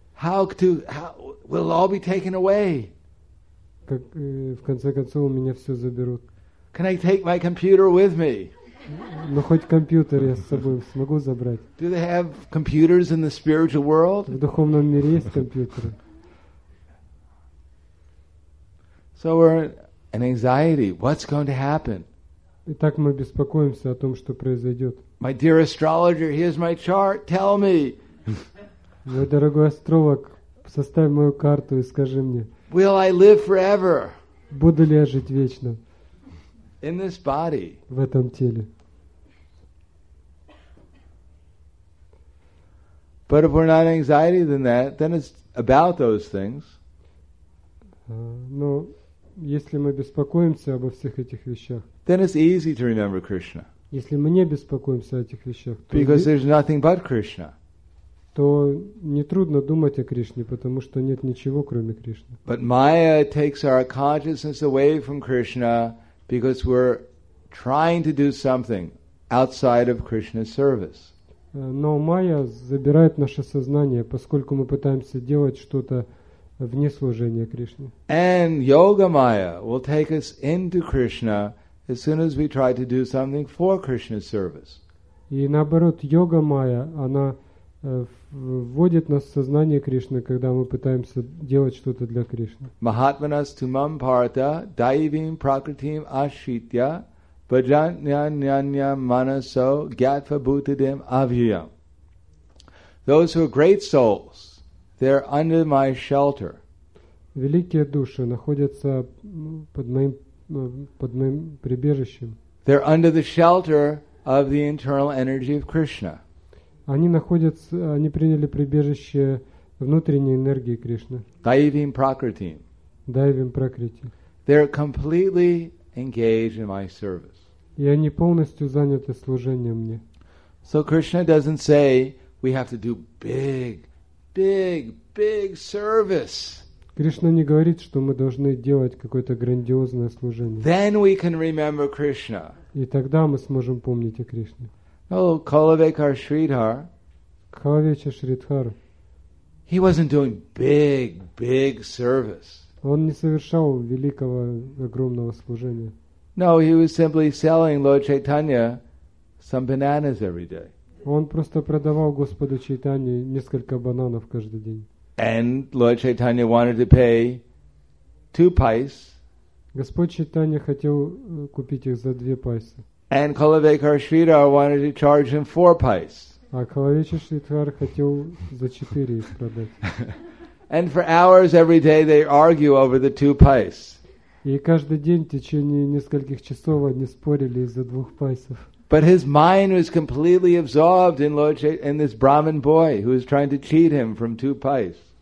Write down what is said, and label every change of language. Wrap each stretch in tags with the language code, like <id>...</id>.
<en>How will all be taken away?</en> <ru>Как, в конце концов, у меня все заберут.</ru> <en>Can I take my computer with me?</en> <ru>Но хоть компьютер я с собой смогу забрать.</ru> <en>Do they have computers in the spiritual world?</en> <ru>В духовном мире есть компьютеры.</ru> <en>So we're in anxiety. What's going to happen?</en> <ru>Итак, мы беспокоимся о том, что произойдет.</ru> <en>My dear astrologer, here's my chart. Tell me.</en> <ru>Мой дорогой астролог, составь мою карту и скажи мне.</ru> <en>Will I live forever?</en> <ru>Буду ли я жить вечно?</ru> <en>In this body.</en> <ru>В этом теле.</ru> <en>But if we're not anxiety than that, then it's about those things.</en> <ru>Но если мы беспокоимся обо всех этих вещах,</ru> <en>then it's easy to remember Krishna.</en> <ru>Если мы не беспокоимся о этих вещах, то</ru> <en>because there's nothing but Krishna.</en> <ru>То не трудно думать о Кришне, потому что нет ничего кроме Кришны.</ru> <en>But Maya takes our consciousness away from Krishna. Because we're trying to do something outside of Krishna's service.</en> <ru>Но майя забирает наше сознание, поскольку мы пытаемся делать что-то вне служения Кришне.</ru> <en>And yoga maya will take us into Krishna as soon as we try to do something for Krishna's service.</en> <ru>И наоборот, йога майя, она вводит нас в сознание Кришны, когда мы пытаемся делать что-то для Кришны.</ru> <sa>Mahatmanas tumam partha daivim prakritim ashitya bhajanyanyanyam manaso gyatva bhutadim avyayam.</sa> <en>Those who are great souls, they're under my shelter.</en> <ru>Великие души находятся под моим прибежищем.</ru> <en>They're under the shelter of the internal energy of Krishna.</en> <ru>Они приняли прибежище внутренней энергии Кришны.</ru> <sa>Daivim Prakriti. Daivim Prakriti.</sa> <en>They're completely engaged in my service.</en> <ru>И они полностью заняты служением мне.</ru> <en>So Krishna doesn't say we have to do big, big, big service.</en> <ru>Кришна не говорит, что мы должны делать какое-то грандиозное служение.</ru> <en>Then we can remember Krishna.</en> <ru>И тогда мы сможем помнить о Кришне.</ru> <en>Oh, Kalavekar Shridhar. Kalavecha Shridhar. He wasn't doing big, big service.</en> <ru>Он не совершал великого, огромного служения.</ru> <en>No, he was simply selling Lord Chaitanya some bananas every day.</en> <ru>Он просто продавал Господу Чайтанье несколько бананов каждый день.</ru> <en>And Lord Chaitanya wanted to pay 2 pais.</en> <ru>Господь Чайтанья хотел купить их за 2 пайсы.</ru> <en>And Kalavekar Shridhar wanted to charge him 4 pais.</en> <ru>А Kalavekar Shridhar хотел за 4 их продать.</ru> <en>And for hours every day they argue over the 2 pais.</en> <ru>И каждый день в течение нескольких часов они спорили из-за 2 пайсов.</ru> <en>But his mind was completely absorbed in this Brahmin boy who was trying to cheat him from 2 pais.</en>